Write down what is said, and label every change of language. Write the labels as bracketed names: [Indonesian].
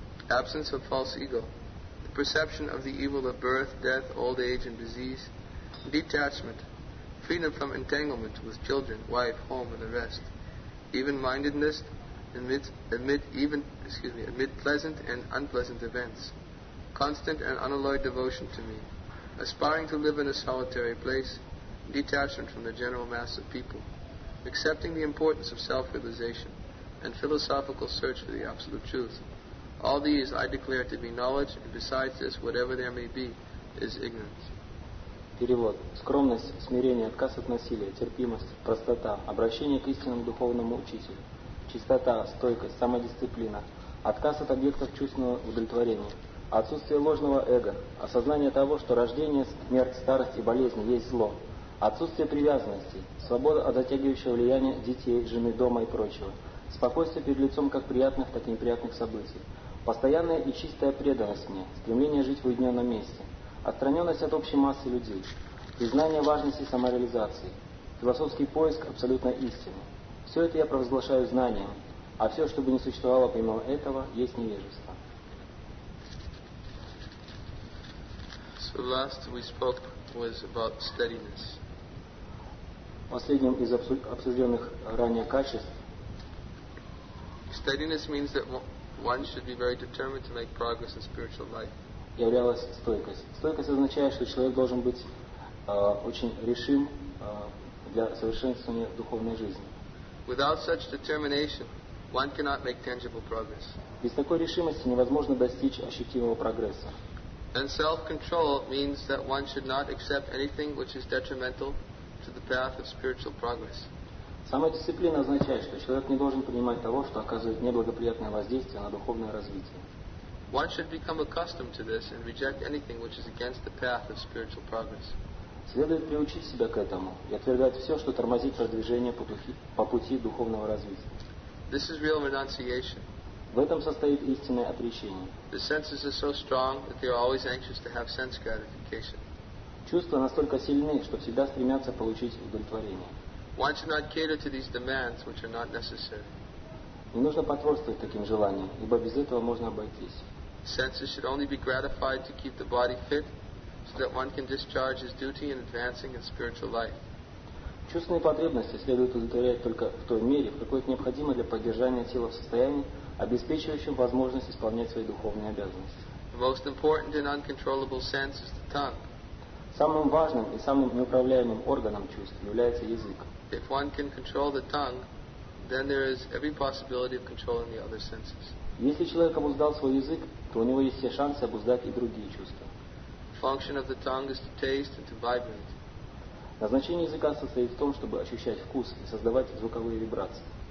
[English] absence of false ego, the perception of the evil of birth, death, old age, and disease, detachment, freedom from entanglement with children, wife, home, and the rest, even-mindedness, amid pleasant and unpleasant events, constant and unalloyed devotion to me, aspiring to live in a solitary place, detachment from the general mass of people, accepting the importance of self-realization and philosophical search for the absolute truth. All these I declare to be knowledge, and besides this, whatever there may be, is ignorance. [Russian] Перевод. Скромность, смирение, отказ от насилия, терпимость, простота, обращение к истинному духовному учителю. Чистота, стойкость, самодисциплина, отказ от объектов чувственного удовлетворения, отсутствие ложного эго, осознание того, что рождение, смерть, старость и болезни есть зло, отсутствие привязанностей, свобода от затягивающего влияния детей, жены, дома и прочего, спокойствие перед лицом как приятных, так и неприятных событий, постоянная и чистая преданность мне, стремление жить в уединенном месте, отстраненность от общей массы людей, признание важности самореализации, философский поиск абсолютной истины. Все это я провозглашаю знанием, а все, что бы не существовало помимо этого, есть невежество. [English] So last we spoke was about steadiness. [Russian] Последним из обсужденных ранее качеств. [English] Steadiness means that one should be very determined to make progress in spiritual life. [Russian] Являлась стойкость. Стойкость означает, что человек должен быть очень решим для совершенствования духовной жизни. [English] Without such determination, one cannot make tangible progress. [Russian] Без такой решимости невозможно достичь ощутимого прогресса. [English] And self-control means that one should not accept anything which is detrimental to the path of spiritual progress. [Russian] Самодисциплина означает, что человек не должен принимать того, что оказывает неблагоприятное воздействие на духовное развитие. [English] One should become accustomed to this and reject anything which is against the path of spiritual progress. [Russian] Следует приучить себя к этому и отвергать все, что тормозит продвижение по пути духовного развития. [English] This is real renunciation. [Russian] В этом состоит истинное отречение. [English] The senses are so strong that they are always anxious to have sense gratification. [Russian] Чувства настолько сильны, что всегда стремятся получить удовлетворение. [English] One should not cater to these demands, which are not necessary. [Russian] Не нужно потворствовать таким желаниям, ибо без этого можно обойтись. [English] Senses should only be gratified to keep the body fit, so that one can discharge his duty in advancing in spiritual life. [Russian] Чувственные потребности следует удовлетворять только в той мере, в какой это необходимо для поддержания тела в состоянии, обеспечивающем возможность исполнять свои духовные обязанности. [English] The most important and uncontrollable sense is the tongue. [Russian] Самым важным и самым неуправляемым органом чувств является язык. [English] If one can control the tongue, then there is every possibility of controlling the other senses. [Russian] Если человек обуздал свой язык, то у него есть все шансы обуздать и другие чувства. [English] The function of the tongue is to taste and to vibrate. [Russian] Назначение языка состоит в том, чтобы ощущать вкус и создавать звуковые вибрации.